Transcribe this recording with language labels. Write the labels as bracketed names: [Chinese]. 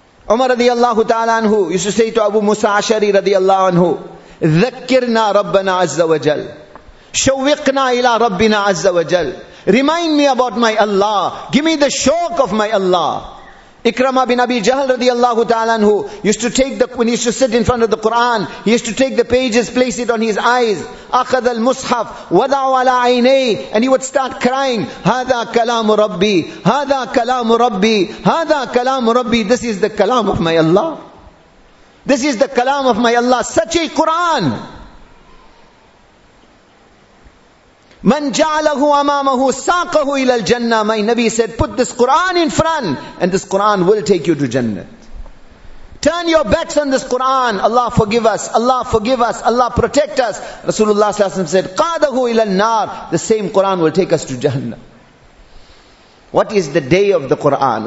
[English] Umar radiallahu ta'ala anhu used to say to Abu Musa Ashari radiallahu anhu, [Arabic] ذَكِّرْنَا رَبَّنَا عَزَّ وَجَلْ [English] شَوِّقْنَا إِلَىٰ رَبِّنَا عَزَّ وَجَلْ. Remind me about my Allah. Give me the shock of my Allah. Ikrama bin Abi Jahl radiallahu ta'ala anhu used to take the, when he used to sit in front of the Quran, he used to take the pages, place it on his eyes. [Arabic] أخذ المصحف وضع على عيني, [English] and he would start crying, [Arabic] هذا كلام ربي هذا كلام ربي هذا كلام ربي. [English] This is the kalam of my Allah. This is the kalam of my Allah. Such a Quran. [Arabic] من جعله أمامه ساقه إلى الجنة. [English] My Nabi said, put this Quran in front and this Quran will take you to Jannah. Turn your backs on this Quran. Allah forgive us. Allah forgive us. Allah protect us. Rasulullah sallallahu alaihi wasallam said, [Arabic] قَادَهُ إِلَى النَّارِ. [English] The same Quran will take us to Jahannam. What is the day of the Quran?